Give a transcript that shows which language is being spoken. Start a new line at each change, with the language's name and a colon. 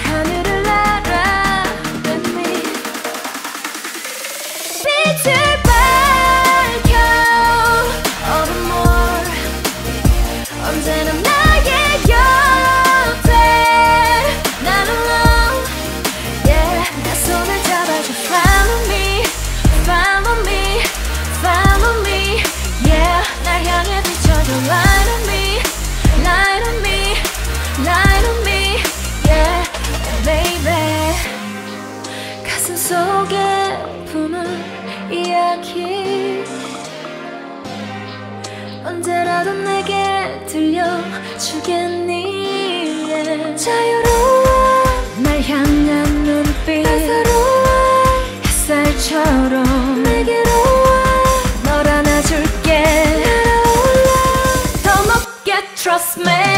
Korean: 하늘을 알아
English: let me.
Korean: 빛을 밝혀
English: all the more.
Korean: 언제나 나의 곁에
English: not alone.
Korean: Yeah, 내 손을 잡아줘.
English: Follow me, follow me, follow me.
Korean: Yeah, 날 향해 비춰줘.
English: Light on me, light on me, light on me. Yeah, baby.
Korean: 가슴 속에 품은 이야기 언제라도 내게 들려주겠니. Yeah. 자유로워 날 향한 눈빛 따사로워 햇살처럼 내게로 와 널 안아줄게 날아올라 더 높게
English: trust me.